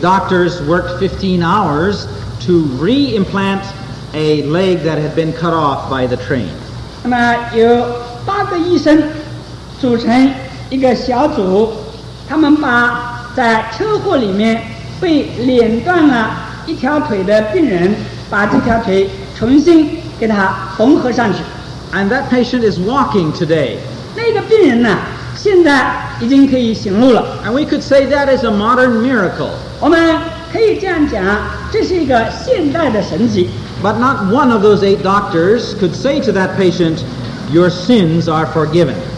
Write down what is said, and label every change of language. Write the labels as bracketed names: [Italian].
[English] doctors worked 15 hours to re-implant a leg that had been cut off by the train. [Chinese] 那么有八个医生组成一个小组，他们把在车祸里面被碾断了一条腿的病人，把这条腿重新给他缝合上去。 [English] And that patient is walking today. [Chinese] 那个病人呢，现在已经可以行路了。 [English] And we could say that is a modern miracle. [Chinese] 我们可以这样讲，这是一个现代的神迹。 [English] But not one of those eight doctors could say to that patient, your sins are forgiven.